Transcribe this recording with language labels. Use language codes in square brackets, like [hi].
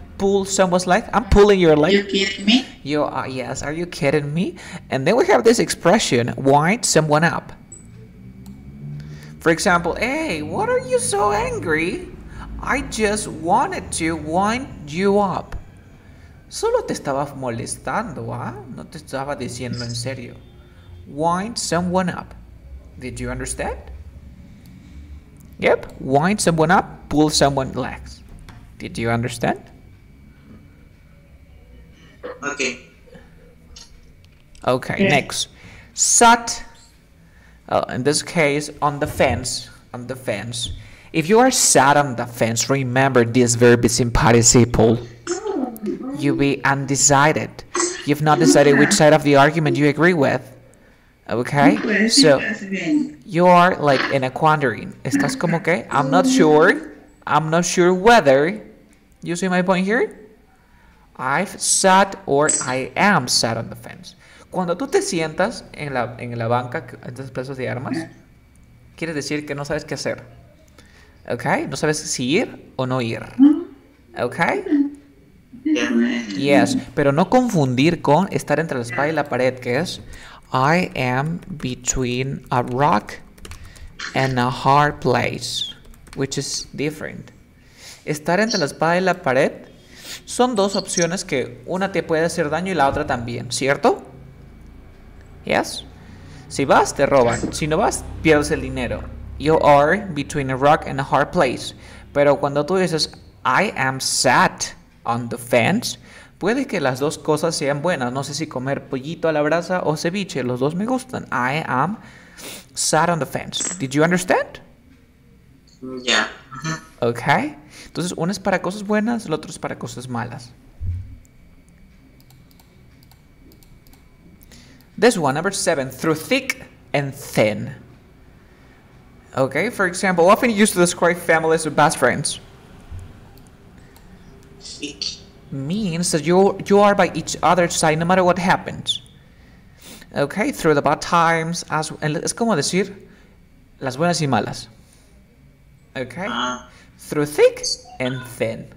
[en] I'm pulling your leg. Are you kidding me? You are, yes. Are you kidding me? And then we have this expression, wind someone up. For example, hey, what are you so angry? I just wanted to wind you up. [es] Solo te estaba molestando, ¿ah? No te estaba diciendo en serio. [en] Wind someone up. Did you understand? Yep. Wind someone up, pull someone's legs. Did you understand? Okay. Yeah. Next. Sat. In this case, on the fence. On the fence. If you are sat on the fence, remember this verb is in participle. You be undecided. You've not decided which side of the argument you agree with. Okay? So, you are like in a quandary. [es] ¿Estás como qué? [en] I'm not sure. I'm not sure whether. You see my point here? I've sat or I am sat on the fence. [es] Cuando tú te sientas en la banca, en tus pesos de armas, quiere decir que no sabes qué hacer. Okay? No sabes si ir o no ir. Okay? Yes, pero no confundir con estar entre la espada y la pared, que es [en] I am between a rock and a hard place, which is different. [es] Estar entre la espada y la pared son dos opciones que una te puede hacer daño y la otra también, ¿cierto? Yes. Si vas, te roban. Si no vas, pierdes el dinero. [en] You are between a rock and a hard place. [es] Pero cuando tú dices [en] I am sat on the fence, [es] puede que las dos cosas sean buenas. No sé si comer pollito a la brasa o ceviche. Los dos me gustan. [en] I am sat on the fence. Did you understand? Yeah. Okay. [es] Entonces, una es para cosas buenas, el otro es para cosas malas. [en] This one, number 7, through thick and thin. Okay, for example, often used to describe families or best friends. Means that you are by each other's side no matter what happens. [es] Okay, [en] through the bad times, [es] as es como decir las buenas y malas. [en] Okay, through thick and thin.